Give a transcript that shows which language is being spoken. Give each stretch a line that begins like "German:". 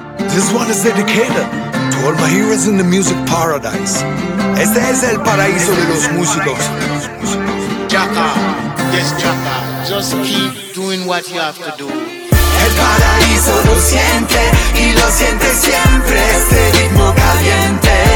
English: This one is dedicated to all my heroes in the music paradise.
Spanish: Este es el paraíso de los músicos.
English: Chaka, yes Chaka, just keep doing what you have to do.
Spanish: El paraíso lo siente y lo siente siempre este ritmo caliente.